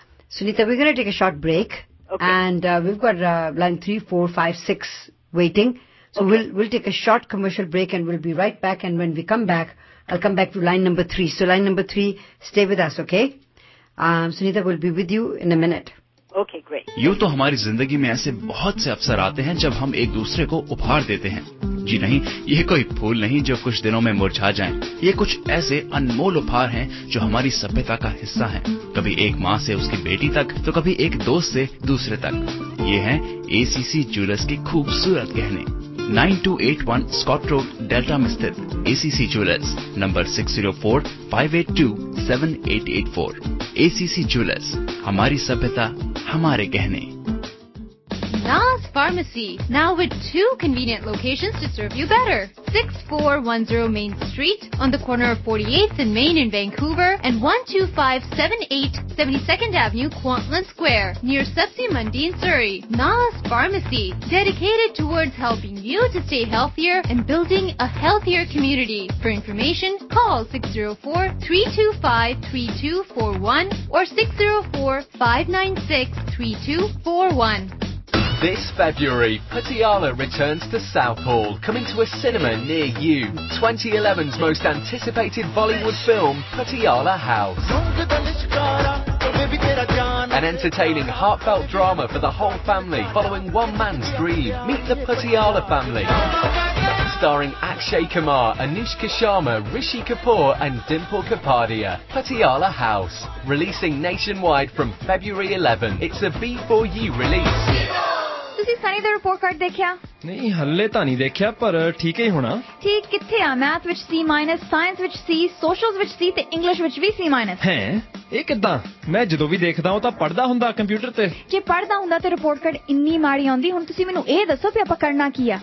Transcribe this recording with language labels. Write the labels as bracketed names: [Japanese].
[English] Sunita, we're going to take a short break. Okay. And we've got line 3, 4, 5, 6 waiting. So okay. we'll take a short commercial break and we'll be right back. And when we come back, I'll come back to line number 3. So line number 3, stay with us, okay? Sunita will be with you in a minute. Okay, great. [Hindi] यूँ तो हमारी जिंदगी में ऐसे बहुत से अवसर आते हैं जब हम एक दूसरे को उपहार देते हैं। जी नहीं, ये कोई फूल नहीं जो कुछ दिनों में मुरझा जाएं। ये कुछ ऐसे अनमोल उपहार हैं जो हमारी सभ्यता का हिस्सा हैं। कभी एक माँ से उसकी बेटी तक, तो कभी एक दोस्त से दूसरे तक। ये हैं ACC ज्वेलर्स के खूबसूरत गहने। 9281 स्कॉट रोड डेल्टा में स्थित ACC jewellers, number 6045827884। ACC jewellers, हमारी सभ्यता, हमारे गहने। [English] Nas Pharmacy, now with 2 convenient locations to serve you better. 6410 Main Street, on the corner of 48th and Main in Vancouver, and 12578 72nd Avenue, Kwantlen Square, near Sepsi Mandi in Surrey. Nas Pharmacy, dedicated towards helping you to stay healthier and building a healthier community. For information, call 604-325-3241 or 604-596-3241. This February, Patiala returns to South Hall, coming to a cinema near you. 2011's most anticipated Bollywood film, Patiala House. An entertaining, heartfelt drama for the whole family, following one man's dream. Meet the Patiala family. Starring Akshay Kumar, Anushka Sharma, Rishi Kapoor and Dimple Kapadia. Patiala House, releasing nationwide from February 11. It's a B4U release. [Punjabi] ਤੁਸੀਂ ਸਨੀ ਦਾ report card ਦੇਖਿਆ ਨਹੀਂ ਹੱਲੇ ਤਾਂ ਨਹੀਂ ਦੇਖਿਆ ਪਰ ਠੀਕ ਹੀ ਹੋਣਾ ਠੀਕ ਕਿੱਥੇ ਆ ਮੈਥ ਵਿੱਚ ਸੀ ਮਾਈਨਸ ਸਾਇੰਸ ਵਿੱਚ ਸੀ ਸੋਸ਼ਲਸ ਵਿੱਚ ਸੀ ਤੇ ਇੰਗਲਿਸ਼ ਵਿੱਚ ਵੀ ਸੀ ਮਾਈਨਸ ਹੈ ਇਹ ਕਿੱਦਾਂ ਮੈਂ ਜਦੋਂ ਵੀ ਦੇਖਦਾ ਉਹ ਤਾਂ ਪੜਦਾ ਹੁੰਦਾ ਕੰਪਿਊਟਰ ਤੇ ਜੇ ਪੜਦਾ ਹੁੰਦਾ ਤੇ ਰਿਪੋਰਟ ਕਾਰਡ ਇੰਨੀ ਮਾੜੀ ਆਉਂਦੀ ਹੁਣ ਤੁਸੀਂ ਮੈਨੂੰ ਇਹ ਦੱਸੋ ਵੀ ਆਪਾਂ ਕਰਨਾ ਕੀ ਆ